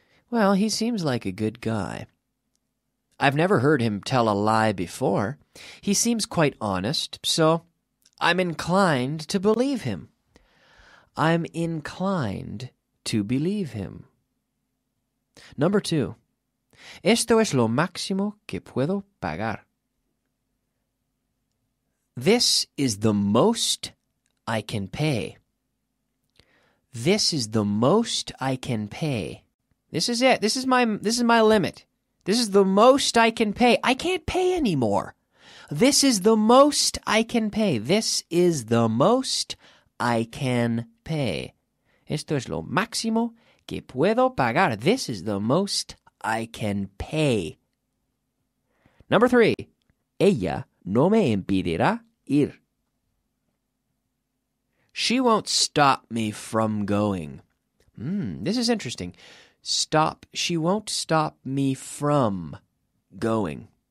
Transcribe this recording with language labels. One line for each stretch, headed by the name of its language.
English: Well, he seems like a good guy. I've never heard him tell a lie before. He seems quite honest, so I'm inclined to believe him. I'm inclined to believe him. Number two.
Spanish: Esto es lo máximo que puedo pagar.
English: This is the most I can pay. This is the most I can pay. This is it. This is my limit. This is the most I can pay. I can't pay anymore. This is the most I can pay. This is the most I can pay.
Spanish: Esto es lo máximo que puedo pagar.
English: This is the most I can pay. Number three.
Spanish: Ella no me impedirá ir.
English: She won't stop me from going. This is interesting. She won't stop me from going.